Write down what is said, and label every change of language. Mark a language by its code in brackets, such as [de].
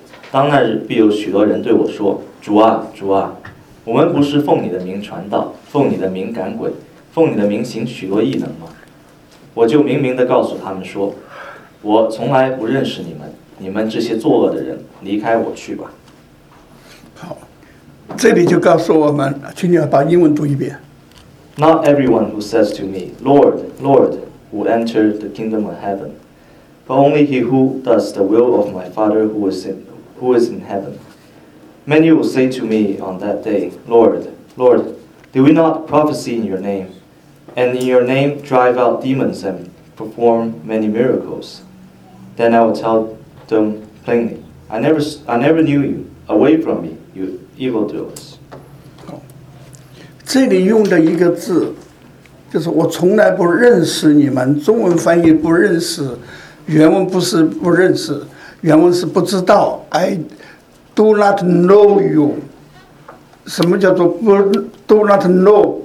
[zh] 当那日必有许多人对我说，主啊主啊，我们不是奉你的名传道，奉你的名赶鬼，奉你的名行许多异能吗？我就明明地告诉他们说，我从来不认识你们，你们这些作恶的人，离开我去吧。好，这里就告诉我们，请你把英文读一遍。 [en] Not everyone who says to me, Lord, Lord, will enter the kingdom of heaven, but only he who does the will of my Father who is in heaven. Many will say to me on that day, Lord, Lord, did we not prophesy in your name, and in your name drive out demons and perform many miracles? Then I will tell them plainly, I never knew you. Away from me, you evildoers. [zh] 这里用的一个字，就是我从来不认识你们。中文翻译不认识，原文不是不认识，原文是不知道。 [en] Do not know you. [zh] 什么叫做不 [en] do not know?